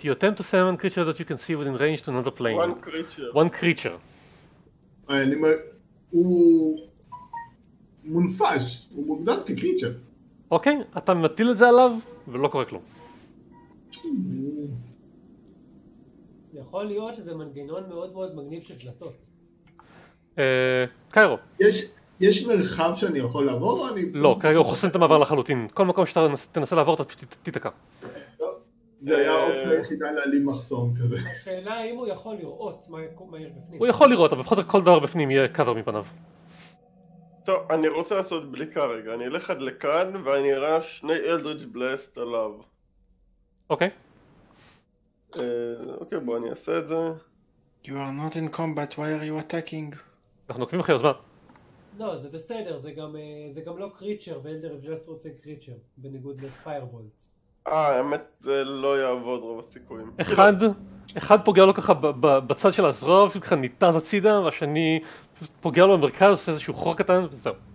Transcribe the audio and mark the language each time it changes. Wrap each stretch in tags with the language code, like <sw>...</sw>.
<en>You attempt to summon creature that you can see within range to another plane. One creature. One creature.</en> <he>הוא מונפש, הוא מוגדר כקריצ'ר. אוקיי, אתה מטיל את זה עליו, ולא קורה כלום. יכול להיות שזה מנגנון מאוד מאוד מגניב של דלתות. קיירו. יש מרחב שאני יכול לעבור? לא, קיירו, הוא חוסם את המעבר לחלוטין. כל מקום שאתה תנסה לעבור, אתה פשוט תתקע. זה היה האופציה היחידה להעלים מחסום כזה. השאלה האם הוא יכול לראות מה יש בפנים. הוא יכול לראות, אבל לפחות כל דבר בפנים יהיה קאבר מפניו. טוב, אני רוצה לעשות בליקה רגע, אני אלך עד לכאן ואני אראה שני אלדריץ' בלאסט עליו. אוקיי. אוקיי, בוא אני אעשה את זה.</he> <en>You are not in combat, why are you attacking?</en> <he>אנחנו עוקבים אחרי הזמן. לא, זה בסדר, זה גם לא קריצ'ר ואלדריץ' בלאסט רוצה קריצ'ר, בניגוד לפיירבולט. האמת זה לא יעבוד רוב הסיכויים. אחד פוגע לו ככה בצד של הזרוע, פשוט ככה ניטז הצידה, והשני פוגע לו במרכז, עושה איזשהו חור קטן, וזהו.</he>